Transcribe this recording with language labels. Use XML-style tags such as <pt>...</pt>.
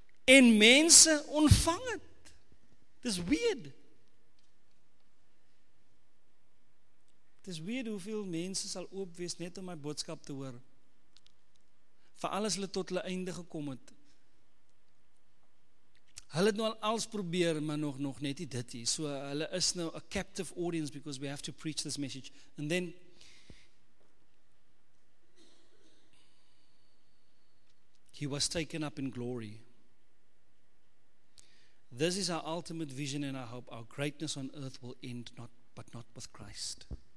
<af>En mense ontvang het. Dis weird. Dis weird hoeveel mense sal oop wees net om my boodskap te hoor. Vir alles hulle tot hulle einde gekom het. Hulle het nou als probeer, maar nog net nie dit hier. So hulle is nou</af> <en>a captive audience because we have to preach this message. And then, he was taken up in glory. This is our ultimate vision and our hope. Our greatness on earth will end, but not with Christ.</en>